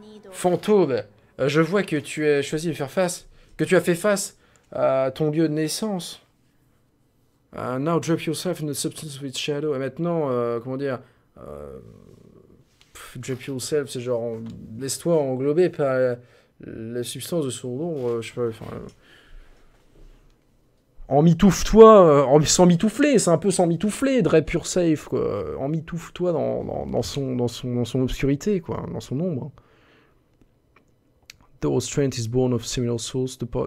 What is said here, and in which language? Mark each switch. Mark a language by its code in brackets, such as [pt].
[fr] Fantôme. Je vois que tu as choisi de faire face, que tu as fait face à ton lieu de naissance. [en] Now drop yourself in the substance with shadow. [fr] Et maintenant, comment dire, [en] drop yourself, [fr] c'est genre laisse-toi englober par la substance de son ombre. Je sais pas, enfin, emmitouffe-toi, s'emmitoufler, c'est un peu s'emmitoufler, [en] drape yourself, [fr] quoi. Emmitouffe-toi dans son obscurité, quoi, dans son ombre. [en] Though strength is born of similar source, the power...